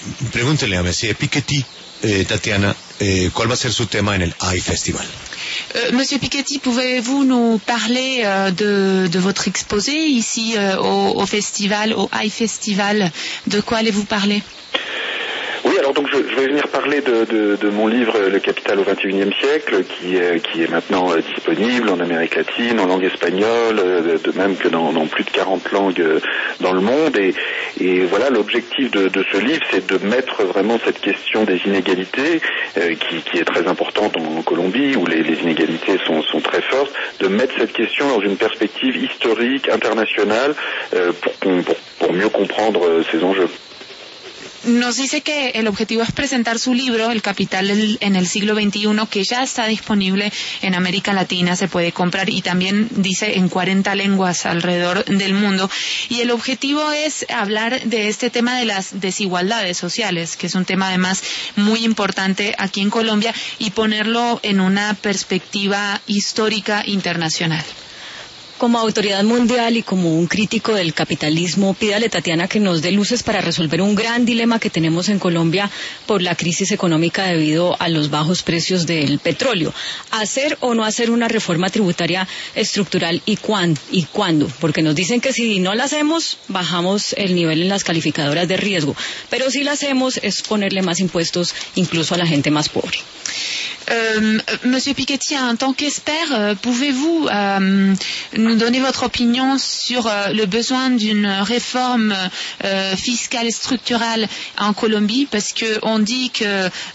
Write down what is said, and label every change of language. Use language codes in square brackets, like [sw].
[es] Pregúntele a monsieur Piketty, Tatiana, ¿cuál va a ser su tema en el AI Festival? [fr] Monsieur Piketty, pouvez-vous nous parler de votre exposé ici au festival, au AI Festival? De quoi allez-vous parler? Oui, alors donc je vais venir parler de mon livre Le Capital au XXIe siècle, qui est maintenant disponible en Amérique latine, en langue espagnole, de même que dans plus de 40 langues dans le monde. Et voilà, l'objectif de ce livre, c'est de mettre vraiment cette question des inégalités, qui est très importante en Colombie, où les inégalités sont très fortes, de mettre cette question dans une perspective historique, internationale, pour mieux comprendre ces enjeux. [es] Nos dice que el objetivo es presentar su libro, El Capital en el Siglo XXI, que ya está disponible en América Latina, se puede comprar, y también dice en 40 lenguas alrededor del mundo. Y el objetivo es hablar de este tema de las desigualdades sociales, que es un tema además muy importante aquí en Colombia, y ponerlo en una perspectiva histórica internacional. Como autoridad mundial y como un crítico del capitalismo, pídale, Tatiana, que nos dé luces para resolver un gran dilema que tenemos en Colombia por la crisis económica debido a los bajos precios del petróleo. ¿Hacer o no hacer una reforma tributaria estructural y cuándo? Porque nos dicen que si no la hacemos, bajamos el nivel en las calificadoras de riesgo. Pero si la hacemos, es ponerle más impuestos incluso a la gente más pobre. [fr] Monsieur Piketty, en tant qu'expert, pouvez-vous nous donner votre opinion sur le besoin d'une réforme fiscale structurelle en Colombie, parce que on dit que